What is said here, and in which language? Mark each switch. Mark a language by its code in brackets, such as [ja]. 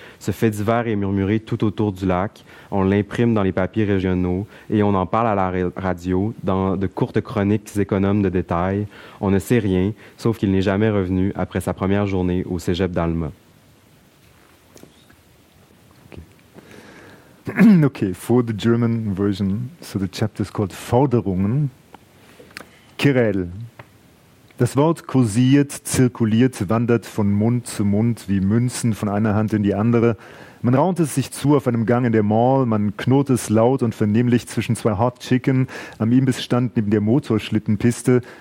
[fr] Ce fait divers est murmuré tout autour du lac. On l'imprime dans les papiers régionaux et on en parle à la radio dans de courtes chroniques économes de détails. On ne sait rien, sauf qu'il n'est jamais revenu après sa première journée au cégep d'Alma. [en] Okay, for the German version, so the chapter is called Forderungen. [fr] Querelle. [de] Das Wort kursiert, zirkuliert, wandert von Mund zu Mund wie Münzen von einer Hand in die andere. Man raunt es sich zu auf einem Gang in der Mall, man knurrt es laut und vernehmlich zwischen zwei Hot Chicken am Imbissstand neben der Motorschlittenpiste.